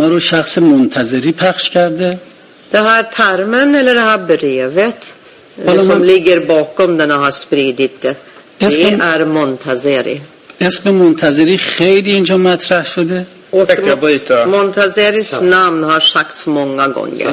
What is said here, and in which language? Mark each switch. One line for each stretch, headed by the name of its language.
Swedish: Det här termen eller det här brevet som ligger bakom den och har spridit det, det är Montazeri.
Persian: اسم منتظری خیلی اینجا مطرح شده.
Swedish: Montazeris namn har sagts många gånger.